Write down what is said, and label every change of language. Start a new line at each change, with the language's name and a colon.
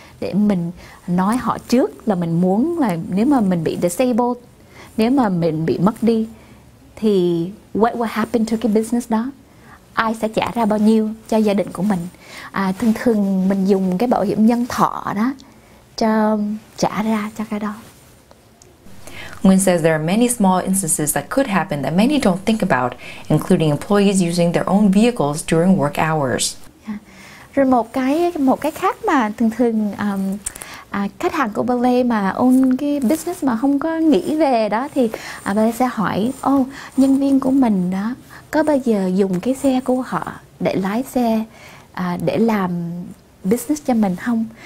Vietnamese: Để mình nói họ trước là mình muốn là nếu mà mình bị disabled, nếu mà mình bị mất đi thì
English: what will happen to
Vietnamese: cái business đó, ai sẽ trả ra bao nhiêu cho gia đình của mình. Thường thường mình dùng cái bảo hiểm nhân thọ đó cho trả ra cho cái đó.
English: Nguyên says there are many small instances that could happen that many don't think about, including employees using their own vehicles during work hours.
Vietnamese: Rồi một cái khác mà thường thường khách hàng của Ballet mà own cái business mà không có nghĩ về đó thì Ballet sẽ hỏi nhân viên của mình đó có bao giờ dùng cái xe của họ để lái xe để làm business cho mình không?